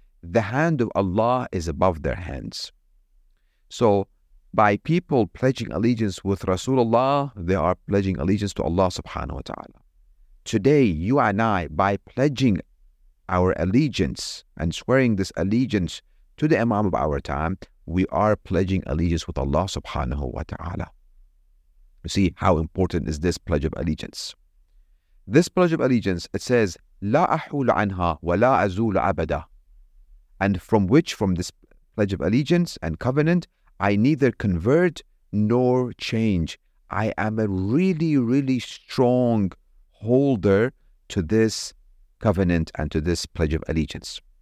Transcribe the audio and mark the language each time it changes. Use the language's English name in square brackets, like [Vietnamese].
[English] The hand of Allah is above their hands. So by people pledging allegiance with Rasulullah, they are pledging allegiance to Allah subhanahu wa ta'ala. Today, you and I, by pledging our allegiance and swearing this allegiance to the Imam of our time, we are pledging allegiance with Allah subhanahu wa ta'ala. You see, how important is this pledge of allegiance? This pledge of allegiance, it says, [Arabic] لا أحول عنها ولا أزول أبدا. [English] And from which, from this pledge of allegiance and covenant, I neither convert nor change. I am a really, really strong holder to this covenant and to this pledge of allegiance.